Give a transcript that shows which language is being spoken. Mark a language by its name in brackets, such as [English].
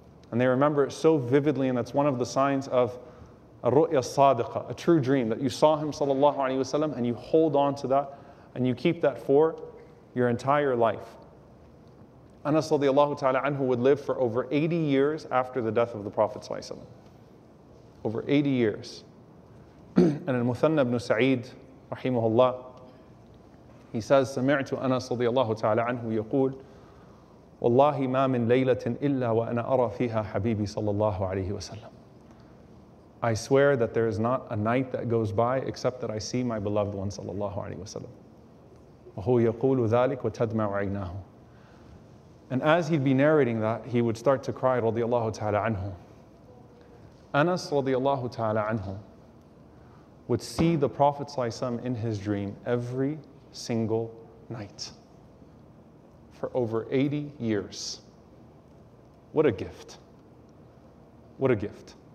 [English] And they remember it so vividly, and that's one of the signs of a ru'ya sadiqa, a true dream, that you saw him sallallahu alayhi wa sallam, and you hold on to that, and you keep that for your entire life. Anas radiallahu ta'ala anhu would live for over 80 years after the death of the Prophet ﷺ. Over 80 years. And al-Muthanna ibn Sa'id, rahimahullah, he says, [Arabic] سَمِعْتُ أَنَسَ رَضِيَ اللَّهُ تَعَالَى عَنْهُ يَقُولُ وَاللَّهِ مَا مِنْ لَيْلَةٍ إِلَّا وَأَنَا أَرَى فِيهَا حَبِيبِي صَلَّى اللَّهُ عَلَيْهِ وَسَلَّمُ. [English] I swear that there is not a night that goes by except that I see my beloved one, sallallahu alayhi wa sallam. [Arabic] وهو يقول ذلك وتدمع عيناه. [English] And as he'd be narrating that, he would start to cry, [Arabic] رضي الله تعالى عنه. [English] Anas, [Arabic] رضي الله تعالى عنه, [English] would see the Prophet ﷺ in his dream every single night for over 80 years. What a gift. What a gift.